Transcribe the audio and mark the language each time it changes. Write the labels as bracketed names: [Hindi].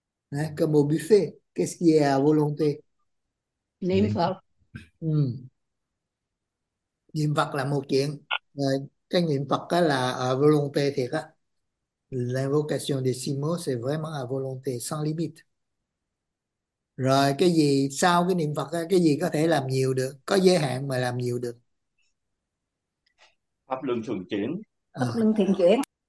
[Vietnamese] Đấy, cơm buffet, [French] qu'est-ce qu'il y [Vietnamese] Niệm [French] a [Vietnamese] Phật. [French] volonté? [Vietnamese] Niệm Phật là một chuyện, cái niệm Phật đó là [French] à volonté [Vietnamese] thiệt á. [French] L'invocation de six mots, c'est vraiment à volonté, sans limite. [Vietnamese] Rồi cái gì sau cái niệm Phật đó, cái gì có thể làm nhiều được, có giới hạn mà làm nhiều được? Pháp luân thường chuyển. À, Pháp luân thường chuyển.